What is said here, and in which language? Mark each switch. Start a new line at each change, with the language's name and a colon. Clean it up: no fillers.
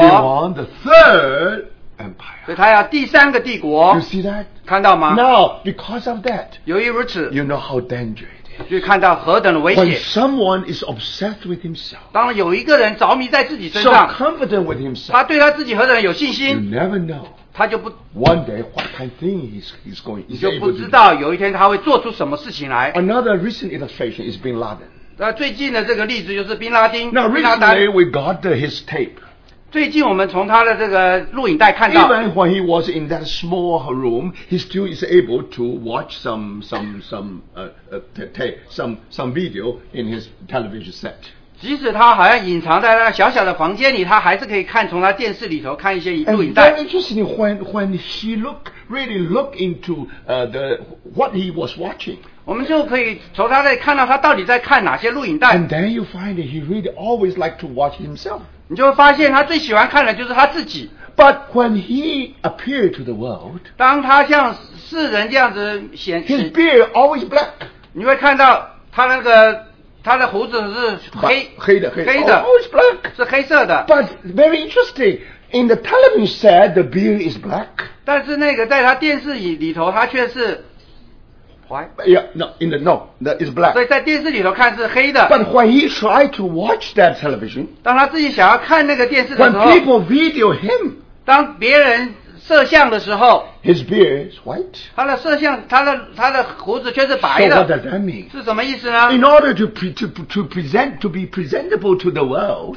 English: He want the third empire.
Chinese: 所以他要第三个帝国。
English: You see that?
Chinese: 看到吗？
English: Now because of that.
Chinese: 由于如此。
English: You know how dangerous.
Chinese: 就看到何等的危险。
English: When someone is obsessed with himself,
Chinese: 当有一个人着迷在自己身上
English: so confident with himself,
Chinese: 他对他自己何等有信心
English: you never know,
Chinese: 他就不
English: one day what kind of thing he's going, he's
Chinese: 你就不知道有一天他会做出什么事情来。
English: Another recent illustration is Bin Laden.
Chinese: 那最近的这个例子就是 Bin Laden.
English: Now recently we got his tape.
Chinese: 最近我们从他的这个录影带看到
English: Even when he was in that small room, he still is able to watch some video in his television set.
Chinese: 即使他好像隐藏在那小小的房间里，他还是可以看从他电视里头看一些录影带。
English: And then interestingly, when he really look into the what he was watching,
Chinese: 我们就可以从他在看到他到底在看哪些录影带。
English: And then you find that he really always like to watch himself.
Chinese: 你就会发现他最喜欢看的就是他自己。
English: But when he appeared to the world,
Chinese: 当他像世人这样子显
English: ，his beard always black.
Chinese: 你会看到他那个他的胡子是黑的
English: ，always black
Chinese: 是黑色的。
English: But very interesting, in the television set, the beard is black.
Chinese: 但是那个在他电视里头，他却是。
English: Why? Yeah, no, in the, no, that is black.
Chinese: 所以在电视里头看是黑的。
English: But when he tried to watch that television,
Chinese: 当他自己想要看那个电视的时候
English: when people video him,
Chinese: 当别人摄像的时候
English: his beard is white.
Chinese: 他的摄像他的胡子却是白的。
English: So what does that mean?
Chinese: 是什么意思呢？
English: In order to be presentable to the world,